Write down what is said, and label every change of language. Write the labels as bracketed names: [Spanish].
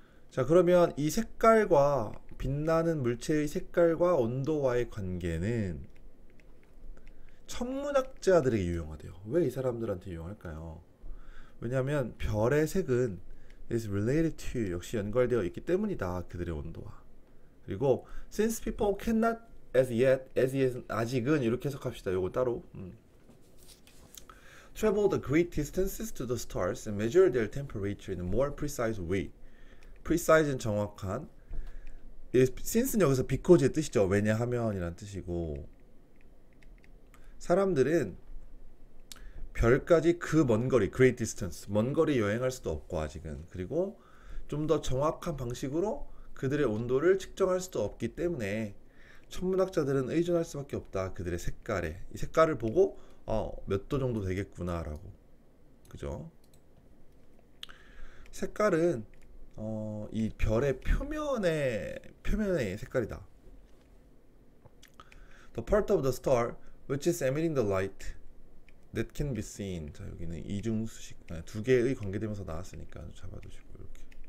[Korean] 자, 그러면 이 색깔과 빛나는 물체의 색깔과 온도와의 관계는 천문학자들에게 유용하대요. 왜이 사람들한테 유용할까요? 왜냐하면 별의 색은 [English] is related to [Korean] 역시 연관되어 있기 때문이다. 그들의 온도와. 그리고 [English] since people cannot as yet [Korean] 아직은 이렇게 해석합시다. [English] 요거 따로 travel the great distances to the stars and measure their temperature in a more precise way. [Korean] precise는 정확한 since는 여기서 because의 뜻이죠. 왜냐하면 이란 뜻이고. 사람들은 별까지 그먼 거리, great distance, 먼 거리 여행할 수도 없고 아직은. 그리고 좀더 정확한 방식으로 그들의 온도를 측정할 수도 없기 때문에 천문학자들은 의존할 수밖에 없다. 그들의 색깔에. 이 색깔을 보고 몇도 정도 되겠구나라고. 그죠? 색깔은 이 별의 표면의 색깔이다. [English] The part of the star which is emitting the light that can be seen. [Korean] 자, 여기는 이중수식, 두 개의 관계대명사 나왔으니까 잡아두시고, 이렇게.